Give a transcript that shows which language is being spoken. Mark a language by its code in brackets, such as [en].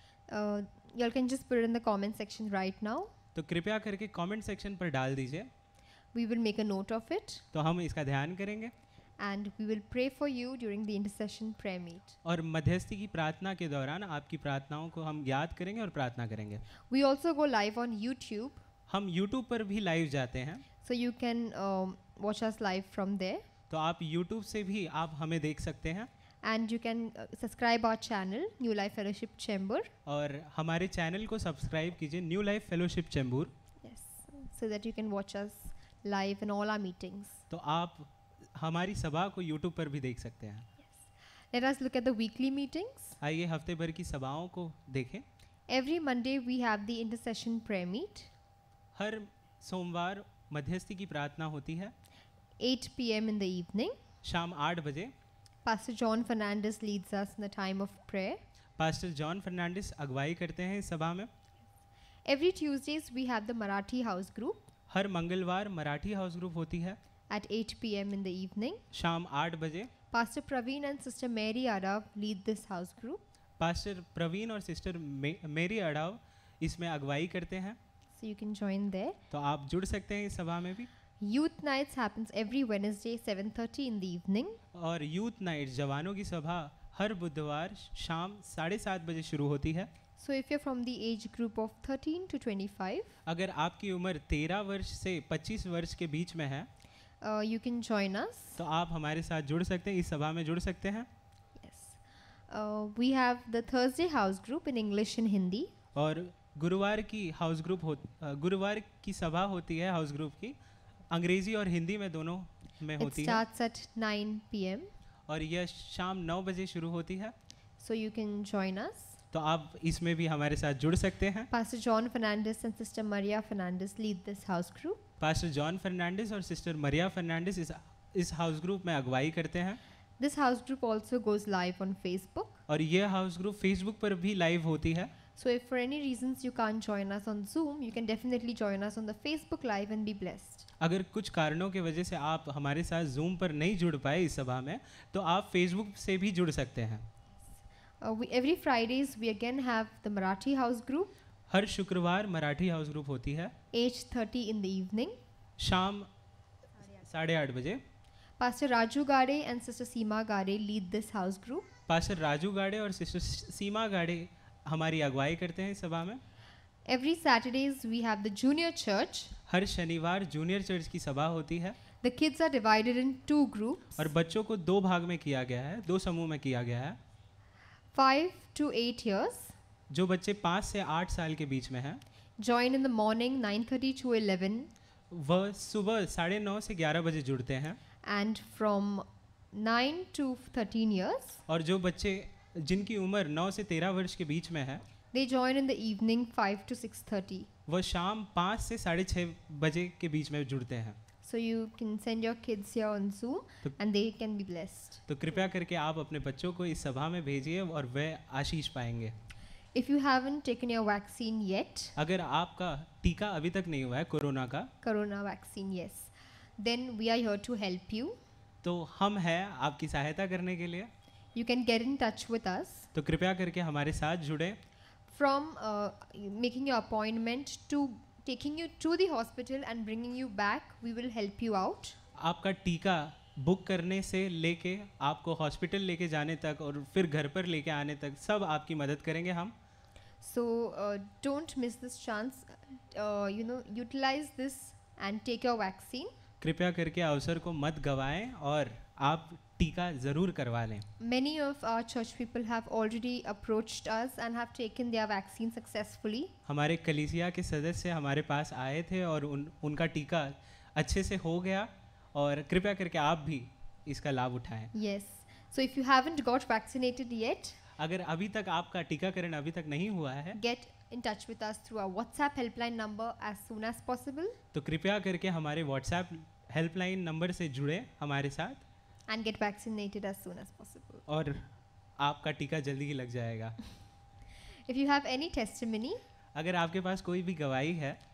[en] You all can just put it in the comment section right now. [hi] तो कृपया करके comment section पर डाल दीजिए. [en] We will make a note of it. [hi] तो हम इसका ध्यान करेंगे. [en] And we will pray for you during the intercession prayer meet. [hi] और मध्यस्थी की प्रार्थना के दौरान आपकी प्रार्थनाओं को हम याद करेंगे और प्रार्थना करेंगे. [en] We also go live on YouTube. [hi] हम YouTube पर भी live जाते हैं. [en] So you can watch us live from there. [hi] तो आप YouTube से भी आप हमें देख सकते हैं. [en] And you can subscribe our channel, New Life Fellowship Chamber. [hi] और हमारे चैनल को सब्सक्राइब कीजिए, New Life Fellowship Chamber. [en] Yes, so that you can watch us live in all our meetings. [hi] तो आप हमारी सभा को YouTube पर भी देख सकते हैं. [en] Yes. Let us look at the weekly meetings. [hi] आइए हफ्ते भर की सभाओं को देखें. [en] Every Monday we have the intercession prayer meet. [hi] हर सोमवार मध्यस्थी की प्रार्थना होती है. [en] 8 p.m. in the evening. [hi] शाम 8 बजे. [en] Pastor John Fernandez leads us in the time of prayer. [hi] Pastor John Fernandez अगुवाई करते हैं इस सभा में. [en] Every Tuesdays we have the Marathi House Group. [hi] हर मंगलवार मराठी हाउस ग्रुप होती है. [en] At 8 p.m. in the evening. [hi] शाम 8 बजे. [en] Pastor Praveen and Sister Mary Arav lead this house group. [hi] Pastor Praveen और Sister Mary Arav इसमें अगुवाई करते हैं. [en] So you can join there. [hi] तो आप जुड़ सकते हैं इस सभा में भी. [en] Youth nights happens every Wednesday 7:30 in the evening. [hi] और youth nights जवानों की सभा हर बुधवार शाम 7:30 बजे शुरू होती है. [en] So if you're from the age group of 13 to 25, [hi] अगर आपकी उम्र 13 वर्ष से 25 वर्ष के बीच में है, [en] you can join us. [hi] तो आप हमारे साथ जुड़ सकते हैं, इस सभा में जुड़ सकते हैं. [en] Yes. We have the Thursday house group in English and Hindi. [hi] और गुरुवार की सभा होती है house group की, अंग्रेजी और हिंदी में दोनों में होती [en] है. It starts at 9 p.m. [hi] और यह शाम 9 बजे शुरू होती है. [en] So you can join us. [hi] तो आप इसमें भी हमारे साथ जुड़ सकते हैं. [en] Pastor John Fernandez and Sister Maria Fernandez lead this house group. [hi] Pastor John Fernandez और Sister Maria Fernandez इस house group में अगुवाई करते हैं. [en] this house group also goes live on Facebook [hi] और ये हाउस ग्रुप फेसबुक पर भी लाइव होती है. [en] So if for any reasons you can't join us on Zoom, you can definitely join us on the Facebook Live and be blessed. [hi] अगर कुछ कारणों के वजह से आप हमारे साथ Zoom पर नहीं जुड़ पाए इस सभा में, तो आप Facebook से भी जुड़ सकते हैं. [en] Every Fridays we again have the Marathi House Group. [hi] हर शुक्रवार मराठी हाउस ग्रुप होती है. [en] 8:30 in the evening. [hi] शाम 8:30 बजे. [en] Pastor Raju Gade and Sister Seema Gade lead this house group. [hi] Pastor Raju Gade और Sister Seema Gade हमारी अगुवाई करते हैं सभा में. [en] Every Saturdays we have the junior church. [hi] हर शनिवार जूनियर चर्च की सभा होती है. [en] The kids are divided in two groups. [hi] और बच्चों को दो भाग में किया गया है, दो समूह में किया गया है. [en] 5 to 8 years. [hi] जो बच्चे 5 से 8 साल के बीच में हैं. [en] Join in the morning 9:30 to 11. [hi] वह सुबह 9:30 से 11 बजे जुड़ते हैं. [en] And from 9 to 13 years. [hi] और जो बच्चे जिनकी उम्र 9 से 13 वर्ष के बीच में है, [en] they join in the evening 5 to 6:30. [hi] वो शाम 5 से 6:30 बजे के बीच में जुड़ते हैं. [en] So you can send your kids here on Zoom and they can be blessed. [hi] तो कृपया करके आप अपने बच्चों को इस सभा में भेजिए और वे आशीष पाएंगे. [en] If you haven't taken your vaccine yet, [hi] अगर आपका टीका अभी तक नहीं हुआ है कोरोना का, [en] Corona vaccine, yes, then we are here to help you. [hi] तो हम हैं आपकी सहायता करने के लिए. [en] You can get in touch with us. [hi] तो कृपया करके हमारे साथ जुड़े. [en] From making your appointment to taking you to the hospital and bringing you back, we will help you out. [hi] आपका टीका बुक करने से लेके आपको हॉस्पिटल लेके जाने तक और फिर घर पर लेके आने तक सब आपकी मदद करेंगे हम. [en] So don't miss this chance. You know, utilize this and take your vaccine. [hi] कृपया करके अवसर को मत गवाएं और आप टीका जरूर करवा लें. [en] Many of our church people have already approached us and have taken their vaccine successfully. [hi] हमारे कलीसिया के सदस्य हमारे पास आए थे और उनका टीका अच्छे से हो गया और कृपया करके आप भी इसका लाभ उठाएं. [en] Yes. So if you haven't got vaccinated yet, [hi] अगर अभी तक आपका टीकाकरण अभी तक नहीं हुआ है, [en] get in touch with us through our WhatsApp helpline number as soon as possible. [hi] तो कृपया करके हमारे WhatsApp हेल्पलाइन नंबर से जुड़े हमारे साथ [en] and get vaccinated as soon as possible. [hi] और आपका टीका जल्दी ही लग जाएगा. [en] If you have any testimony, [hi] अगर आपके पास कोई भी गवाही है